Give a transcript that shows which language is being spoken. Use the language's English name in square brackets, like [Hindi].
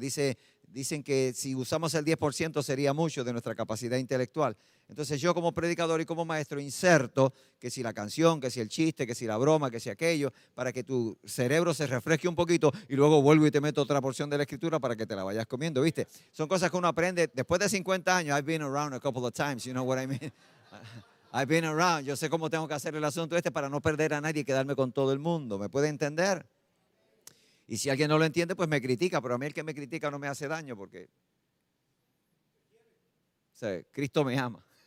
[Spanish] Dicen que si usamos el 10% sería mucho de nuestra capacidad intelectual. Entonces, yo como predicador y como maestro inserto que si la canción, que si el chiste, que si la broma, que si aquello, para que tu cerebro se refresque un poquito y luego vuelvo y te meto otra porción de la escritura para que te la vayas comiendo, ¿viste? Son cosas que uno aprende después de 50 años. [English] I've been around a couple of times, you know what I mean? I've been around. [Spanish] Yo sé cómo tengo que hacer el asunto este para no perder a nadie y quedarme con todo el mundo. ¿Me puede entender? Y si alguien no lo entiende, pues me critica, pero a mí el que me critica no me hace daño porque o sea, Cristo me ama.